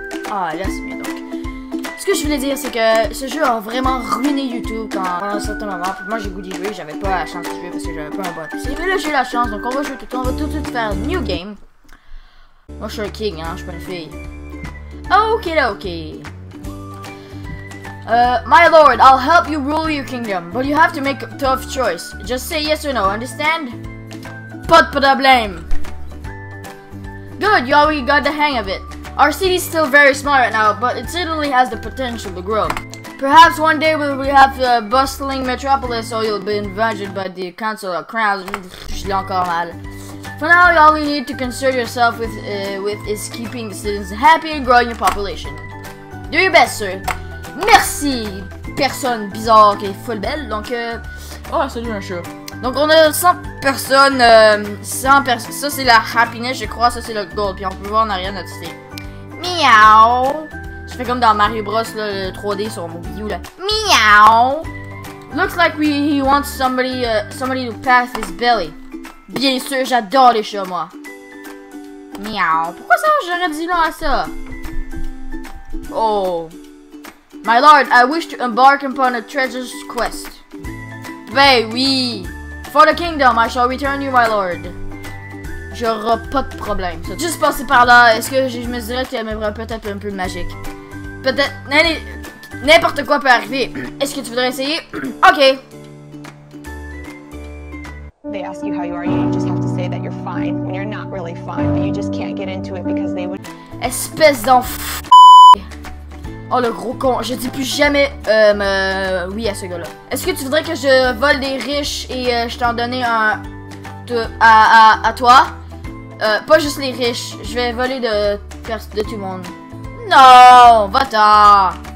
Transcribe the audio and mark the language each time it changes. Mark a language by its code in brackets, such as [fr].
[fr] Ah, là, c'est mieux, donc. Ce que je voulais dire, c'est que ce jeu a vraiment ruiné YouTube pendant un certain moment. Puis moi, j'ai goûté jouer, j'avais pas la chance de jouer parce que j'avais pas un bot. Mais là, j'ai la chance, donc on va jouer tout le temps. On va tout de suite faire New Game. Moi, je suis un king, hein, je suis pas une fille. Ok, là, ok. [en] My lord, I'll help you rule your kingdom, but you have to make a tough choice. Just say yes or no, understand? [fr] Pas de problème. [en] Good, you already got the hang of it. Our city's still very small right now, but it certainly has the potential to grow. Perhaps one day we'll have a bustling metropolis, or you'll be invited by the council or crowns. [fr] Je l'ai encore mal. [en] For now, all you need to concern yourself with is keeping the citizens happy and growing your population. Do your best, sir. [fr] Merci, personne bizarre qui est full belle. Donc, oh, salut, un chat. Donc, on a 100 personnes. 100 personnes. Ça, c'est la happiness, je crois. Ça, c'est le gold. Puis, on peut voir en arrière notre cité. Miaou. Je fais comme dans Mario Bros, là, le 3D sur mon Wii U, là. Miaou. [en] Looks like he wants somebody to pass his belly. [fr] Bien sûr, j'adore les chats, moi. Miaou. Pourquoi ça, j'aurais dit non à ça? Oh. [en] My lord, I wish to embark upon a treasure's quest. [fr] Ben oui. [en] For the kingdom, I shall return you, my lord. [fr] J'aurai pas de problème. Ça. Juste passer par là, est-ce que je me dirais que tu aimerais peut-être un peu de magique? Peut-être... N'importe quoi peut arriver. Est-ce que tu voudrais essayer? Ok. [en] They ask you how you are, you just have to say that you're fine when you're not really fine, but you just can't get into it because they would. [fr] Espèce d'enf. Oh le gros con, je dis plus jamais oui à ce gars-là. Est-ce que tu voudrais que je vole des riches et je t'en donne un à toi? Pas juste les riches, je vais voler de tout le monde. Non, va-t'en.